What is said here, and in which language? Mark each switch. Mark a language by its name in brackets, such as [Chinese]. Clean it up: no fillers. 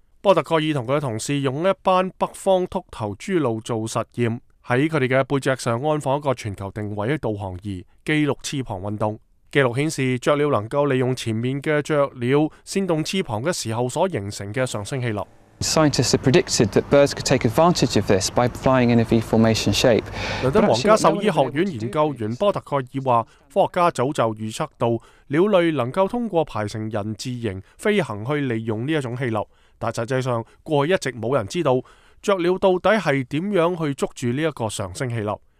[Chinese] 波特盖尔和他的同事用一班北方秃头猪鹿做实验，在他们的背脊上安放一个全球定位的导航仪，记录翅膀运动。记录显示，雀鸟能够利用前面的雀鸟扇动翅膀的时候所形成的上升气流。 [English] Scientists have predicted that birds could take advantage of this by flying in a V formation shape. [Chinese] 伦敦皇家兽医学院研究员波特盖尔话，科学家早就预测到鸟类能够通过排成人字形飞行去利用这种气流，但实际上过去一直没有人知道雀鸟到底是怎样去捉住这个上升气流。